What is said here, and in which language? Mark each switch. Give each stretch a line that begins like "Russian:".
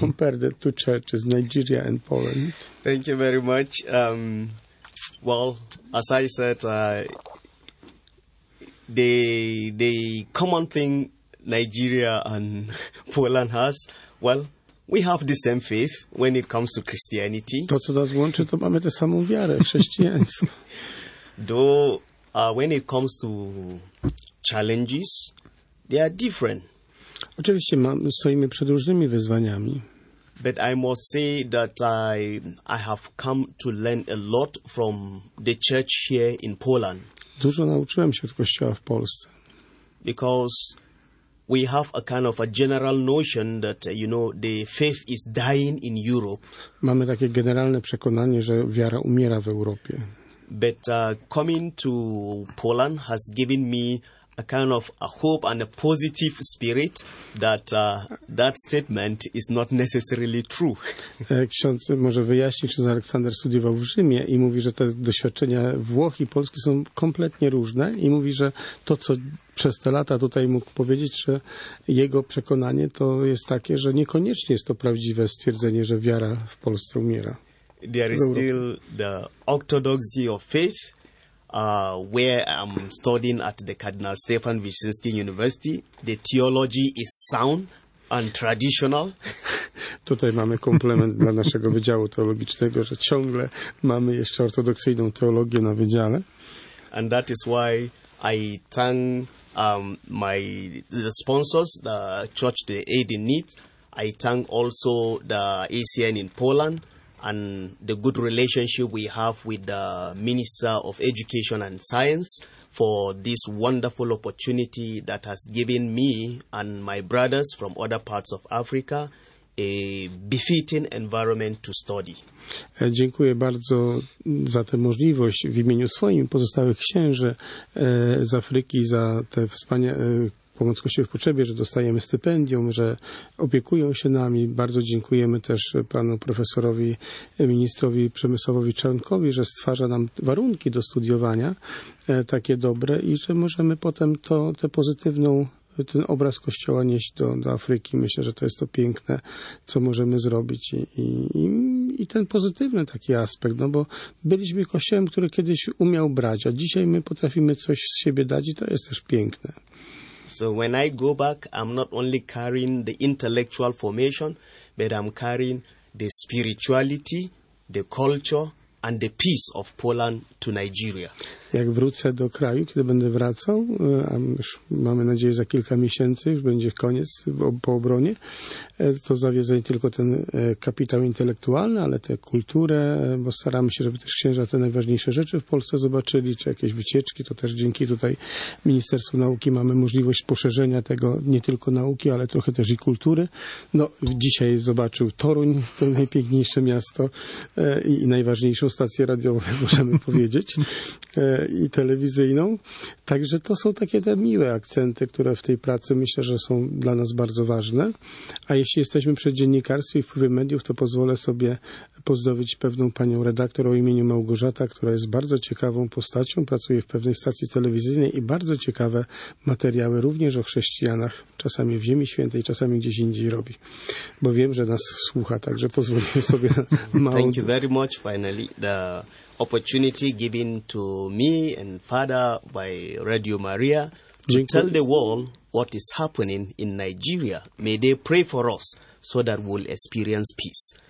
English: Compare the two churches, Nigeria and Poland. Thank you very much. Well, as I said, the common thing Nigeria and Poland has, well, we have the same faith when it comes to Christianity.
Polish: To, co nas łączy, to mamy tę samą wiarę, chrześcijańską.
English: Though, when it comes to challenges, they are different.
Polish: Oczywiście stoimy przed różnymi wyzwaniami.
English: But I must say that I have come to learn a lot from the church here in Poland.
Polish: Dużo nauczyłem się od kościoła w Polsce.
English: Because we have a kind of a general notion that you know the faith is dying in Europe.
Polish: Mamy takie generalne przekonanie, że wiara umiera w Europie.
English: But coming to Poland has given me a kind of a hope and a positive spirit that that statement is not necessarily true.
Polish: Ksiądz może wyjaśnić, że Aleksander studiował w Rzymie i mówi, że te doświadczenia Włoch i Polski są kompletnie różne i mówi, że to, co przez te lata tutaj mógł powiedzieć, że jego przekonanie to jest takie, że niekoniecznie jest to prawdziwe stwierdzenie, że wiara w Polsce umiera.
English: There is still the orthodoxy of faith. Where I'm studying at the Cardinal Stefan Wyszyński University, the theology is sound and traditional.
Polish: Tutaj mamy komplement dla naszego wydziału teologicznego, że ciągle mamy jeszcze ortodoksyjną teologię na wydziale.
English: And that is why I thank the sponsors, the church, the aid in need. I thank also the ACN in Poland. And the good relationship we have with the Minister of Education and Science for this wonderful opportunity that has given me and my brothers from other parts of Africa a befitting environment to study.
Polish: Dziękuję bardzo za tę możliwość w imieniu swoim pozostałych księży z Afryki, za te wspaniałe pomoc Kościoła w potrzebie, że dostajemy stypendium, że opiekują się nami. Bardzo dziękujemy też panu profesorowi, ministrowi Przemysławowi Czarnkowi, że stwarza nam warunki do studiowania takie dobre i że możemy potem tę pozytywną, ten obraz Kościoła nieść do Afryki. Myślę, że to jest to piękne, co możemy zrobić i ten pozytywny taki aspekt, no bo byliśmy Kościołem, który kiedyś umiał brać, a dzisiaj my potrafimy coś z siebie dać i to jest też piękne. So when I go back, I'm not only carrying the intellectual formation, but I'm carrying the spirituality, the culture, and the peace of Poland to Nigeria. Jak wrócę do kraju, kiedy będę wracał, a już mamy nadzieję za kilka miesięcy, już będzie koniec po obronie, to zawiozę nie tylko ten kapitał intelektualny, ale tę kulturę, bo staramy się, żeby też księża te najważniejsze rzeczy w Polsce zobaczyli, czy jakieś wycieczki, to też dzięki tutaj Ministerstwu Nauki mamy możliwość poszerzenia tego nie tylko nauki, ale trochę też i kultury. No, dzisiaj zobaczył Toruń, to najpiękniejsze miasto i najważniejszą stację radiową, możemy powiedzieć, i telewizyjną. Także to są takie te miłe akcenty, które w tej pracy myślę, że są dla nas bardzo ważne. A jeśli jesteśmy przy dziennikarstwie i wpływie mediów, to pozwolę sobie pozdrowić pewną panią redaktor o imieniu Małgorzata, która jest bardzo ciekawą postacią, pracuje w pewnej stacji telewizyjnej i bardzo ciekawe materiały również o chrześcijanach, czasami w Ziemi Świętej, czasami gdzieś indziej robi. Bo wiem, że nas słucha, także pozwolimy sobie na małą...
English: Thank you very much, finally, the opportunity given to me and Father by Radio Maria to tell the world what is happening in Nigeria. May they pray for us so that we'll experience peace.